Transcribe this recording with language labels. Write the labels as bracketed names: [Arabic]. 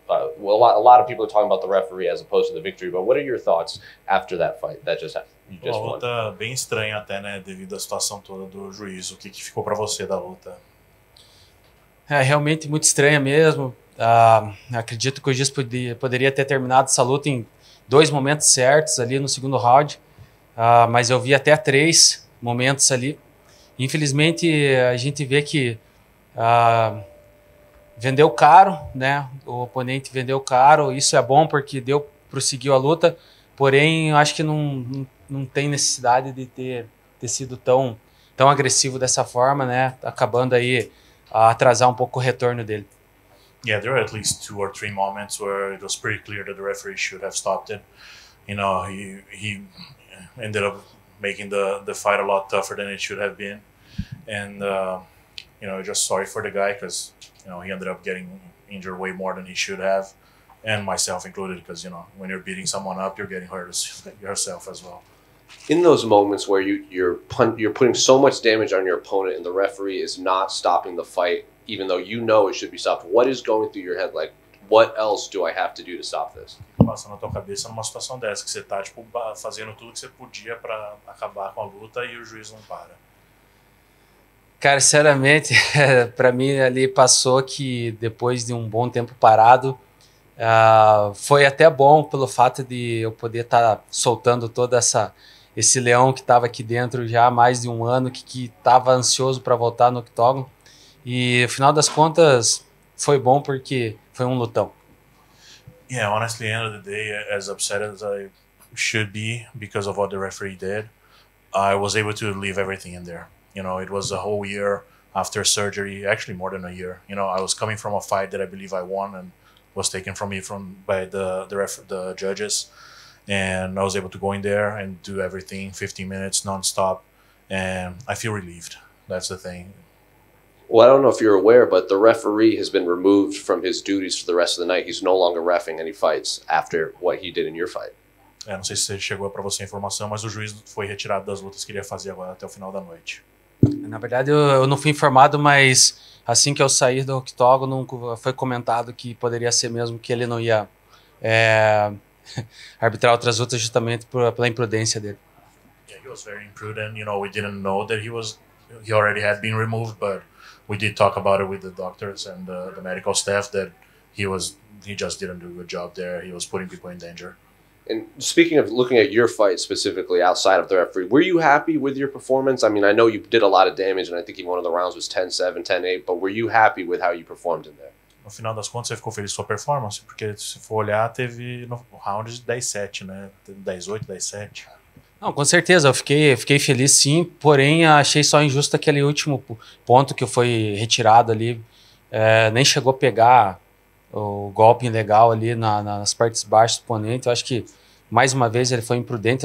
[English] A lot of people are talking about the referee as opposed to the victory. But what are your thoughts after that fight that just happened? [Portuguese] Uma luta bem estranha até, né, devido à situação toda do juiz. O que, que ficou para você da luta? É realmente muito estranha mesmo. Acredito que o juiz poderia ter terminado essa luta em dois momentos certos ali no segundo round, mas eu vi até três momentos ali. Infelizmente, a gente vê que vendeu caro, né? O oponente vendeu caro. Isso é bom porque deu, prosseguiu a luta. Porém, eu acho que não tem necessidade de ter sido tão agressivo dessa forma, né? Acabando aí a atrasar um pouco o retorno dele. [English] Yeah, there were at least two or three moments where it was pretty clear that the referee should have stopped it. You know, he ended up making the fight a lot tougher than it should have been. And, you know, just sorry for the guy because, you know, he ended up getting injured way more than he should have. And myself included, because, you know, when you're beating someone up, you're getting hurt yourself as well. In those moments where you're putting so much damage on your opponent and the referee is not stopping the fight, even though you know it should be stopped, what is going through your head? Like, what else do I have to do to stop this? [Portuguese] Passa na tua cabeça numa situação dessa, que você tá, tipo, fazendo tudo que você podia para acabar com a luta e o juiz não para. Cara, sinceramente, para mim ali passou que depois de um bom tempo parado, foi até bom pelo fato de eu poder estar soltando todo esse leão que estava aqui dentro já há mais de um ano, que estava ansioso para voltar no octógono. E no final das contas, foi bom porque foi um lutão. [English] Yeah, honestly, at the end of the day, as upset as I should be because of what the referee did, I was able to leave everything in there. You know, it was a whole year after surgery, actually more than a year. You know, I was coming from a fight that I believe I won and was taken from me by the judges, and I was able to go in there and do everything 15 minutes nonstop, and I feel relieved. That's the thing. Well, I don't know if you're aware, but the referee has been removed from his duties for the rest of the night. He's no longer reffing any fights after what he did in your fight. [Portuguese] É, não sei se chegou para você a informação, mas o juiz foi retirado das lutas que ele ia fazer agora até o final da noite. Na verdade, eu não fui informado, mas assim que eu sair do octógono, foi comentado que poderia ser mesmo que ele não ia arbitrar outras lutas justamente pela imprudência dele. [English] Yeah, he was very imprudent. You know, we didn't know that he already had been removed, but we did talk about it with the doctors and the medical staff that he just didn't do a good job there. He was putting people in danger. And speaking of looking at your fight specifically outside of the referee, were you happy with your performance? I mean, I know you did a lot of damage, and I think one of the rounds was 10-7, 10-8, but were you happy with how you performed in there? [Portuguese] No final das contas, você ficou feliz com a performance, porque se for olhar, teve rounds 10-7, né? 10-8, 10-7. Não, com certeza, eu fiquei feliz sim, porém, achei só injusto aquele último ponto que foi retirado ali. Nem chegou a pegar o golpe ilegal ali nas partes baixas do oponente. Eu acho que, mais uma vez, ele foi imprudente.